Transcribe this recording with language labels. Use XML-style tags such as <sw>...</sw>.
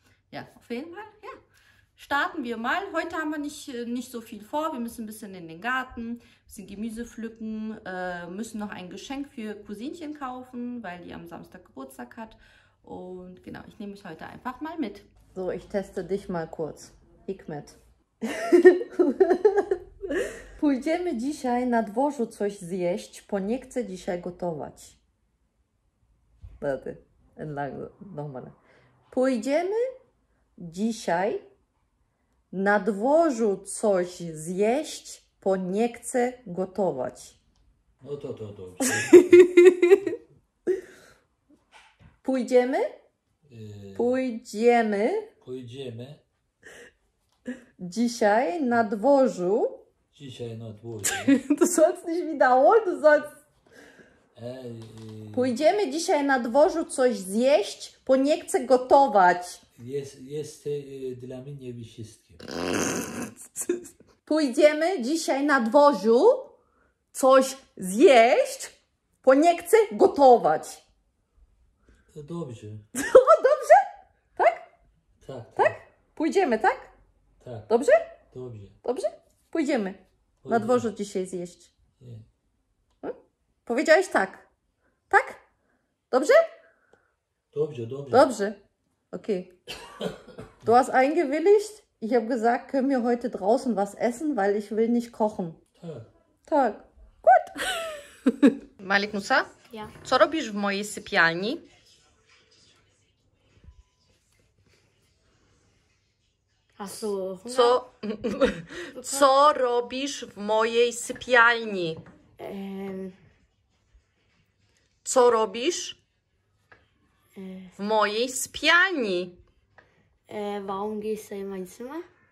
<de>Ja, auf jeden Fall, ja, starten wir mal. Heute haben wir nicht so viel vor. Wir müssen ein bisschen in den Garten, ein bisschen Gemüse pflücken, müssen noch ein Geschenk für Cousinchen kaufen, weil die am Samstag Geburtstag hat. Und genau, ich nehme mich heute einfach mal mit. So, ich teste dich mal kurz. Hikmet.</de> <pl>Pójdziemy dzisiaj na dworzu coś zjeść, bo nie chcę dzisiaj gotować.</pl> <de>Warte, nochmal.</de> <pl>Pójdziemy dzisiaj na dworzu coś zjeść, bo nie chcę gotować. No to, to, to. Pójdziemy? Pójdziemy. Pójdziemy. Dzisiaj na dworzu. Dzisiaj na dworzu.</pl> <de>To sonst nicht wiederholen, du sollst.</de> <pl>Pójdziemy dzisiaj na dworzu coś zjeść, bo nie chcę gotować. Jest dla mnie wszystkim. Pójdziemy dzisiaj na dworzu coś zjeść, bo nie chcę gotować. To dobrze. Tak? Pójdziemy, tak? Tak. Dobrze? Dobrze. Dobrze? Pójdziemy. Pójdziemy. Na dworzu dzisiaj zjeść. Nie. Powiedziałeś tak. Tak? Dobrze? Dobrze, dobrze. Dobrze.</pl> <de>Okay. Du hast eingewilligt. Ich habe gesagt, können wir heute draußen was essen, weil ich will nicht kochen.</de> <pl>Tak. Tak.</pl> <de>Gut.</de> <pl>Malik Musa?</pl> <de>Ja.</de> <pl>Co robisz w mojej sypialni?</pl> <de>Ach so,</de> <pl>co robisz w mojej sypialni? Co robisz w mojej sypialni?</pl> <de>Warum gehst du in mein Zimmer?</de>